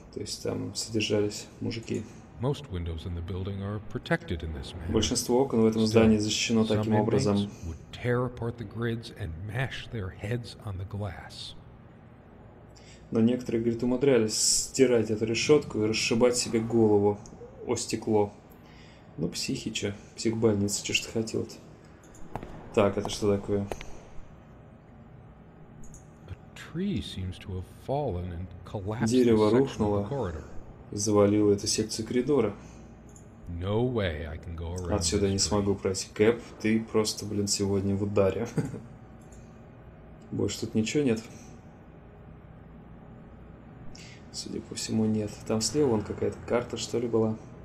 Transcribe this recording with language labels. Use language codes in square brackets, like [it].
[ru] То есть там содержались мужики. [en] Most windows in the building are protected in this manner. [ru] Большинство окон в этом здании защищено таким образом. [en] Would tear apart the grids and mash their heads on the glass. [ru] Но некоторые, говорит, умудрялись стирать эту решетку и расшибать себе голову о стекло. Ну, психи, че? Психбольница, че ж ты хотел? Так, это что такое? [en] A tree seems to have fallen and collapsed. [ru] Дерево рухнуло. Завалил эту секцию коридора. [en] No way I can go around. [ru] Отсюда не смогу пройти. Кэп, ты просто, блин, сегодня в ударе. Больше тут ничего нет. Судя по всему, нет. Там слева вон какая-то карта, что ли, была.